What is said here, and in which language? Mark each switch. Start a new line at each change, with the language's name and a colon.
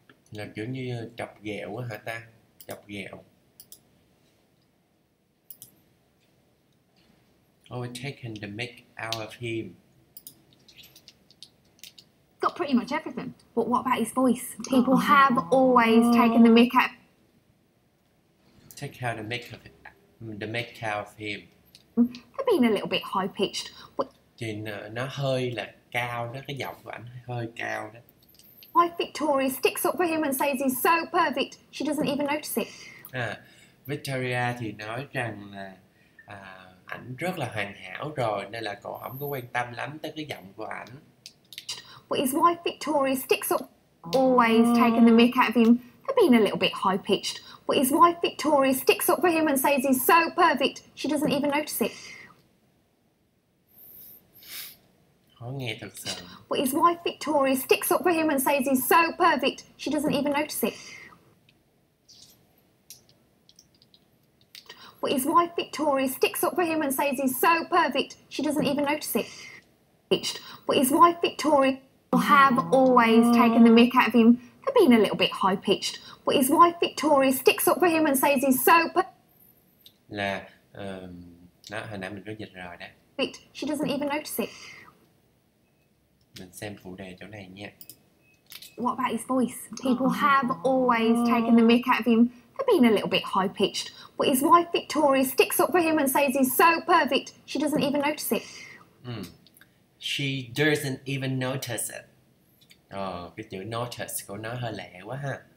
Vietnamese: Là kiểu như chọc ghẹo quá hả ta? Chọc ghẹo.
English: Oh, we're taking the mic out of him. Got pretty much everything. But what about his voice? People have always taken the mic out. Take out the mic of the mic out of him. For being a little bit high pitched.
Vietnamese: Thì nó hơi là cao đó, cái giọng của anh hơi cao đó.
English: Why Victoria sticks up for him and says he's so perfect, she doesn't even notice it.
Vietnamese: Victoria thì nói rằng là ảnh rất là hoàn hảo rồi, nên là cậu không có quan tâm lắm tới cái giọng của ảnh.
English: But his wife Victoria sticks up, always taking the mick out of him for being a little bit high pitched. But his wife Victoria sticks up for him and says he's so perfect, she doesn't even notice it.
Vietnamese: Khó nghe thật sự.
English: But his wife Victoria sticks up for him and says he's so perfect, she doesn't even notice it. But his wife Victoria sticks up for him and says he's so perfect, she doesn't even notice it. But his wife Victoria have always taken the mick out of him for being a little bit high pitched. But his wife Victoria sticks up for him and says he's so
Vietnamese: là đó, hồi nãy mình có dịch rồi đó.
English: But she doesn't even notice it.
Vietnamese: Mình xem phụ đề chỗ này nhé.
English: What about his voice? People have always taken the mick out of him for being a little bit high pitched. But his wife Victoria sticks up for him and says he's so perfect, she doesn't even notice it. She doesn't even notice it.
Vietnamese: Cái chữ notice của nó hơi lẹ quá ha.